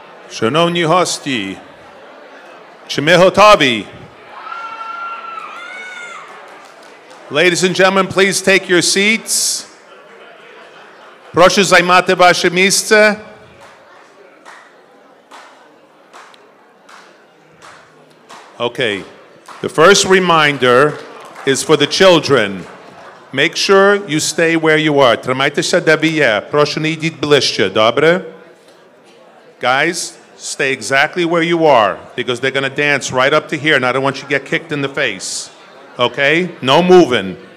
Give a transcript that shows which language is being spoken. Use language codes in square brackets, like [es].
[uk] Шановні гості, чи ми готові? [en] Ladies and gentlemen, please take your seats. [uk] Прошу займати ваше місце. [en] Okay, the first reminder is for the children. Make sure you stay where you are. [uk] Тримайтеся, де ви є. Прошу не йдіть ближче, добре? [en] Guys, stay exactly where you are, because they're going to dance right up to here, and I don't want you to get kicked in the face. Okay? No moving.